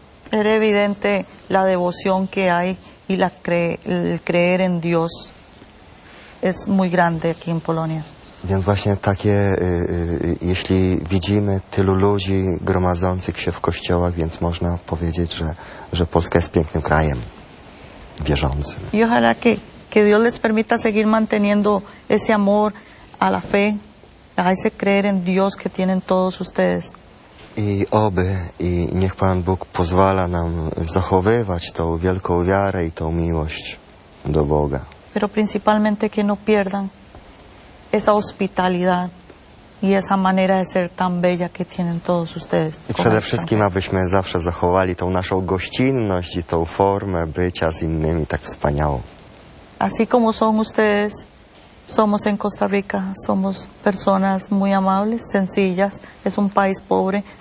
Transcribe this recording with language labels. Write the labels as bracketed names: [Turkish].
[Spanish] Era evidente la devoción que hay y la el creer en Dios es muy grande aquí en Polonia. [Polish] Więc właśnie takie, jeśli widzimy tylu ludzi gromadzących się w kościołach, więc można powiedzieć, że Polska jest pięknym krajem wierzącym. [Spanish] Y ojalá que Dios les permita seguir manteniendo ese amor a la fe, a ese creer en Dios que tienen todos ustedes. [Polish] I oby, i niech Pan Bóg pozwala nam zachowywać tą wielką wiarę i tą miłość do Boga. [Spanish] Pero principalmente que no pierdan esa hospitalidad y esa manera de ser tan bella que tienen todos ustedes. [Polish] I przede wszystkim, abyśmy zawsze zachowali tą naszą gościnność i tą formę bycia z innymi tak wspaniałą. [Spanish] Así como son ustedes, somos en Costa Rica, somos personas muy amables, sencillas, es un país pobre,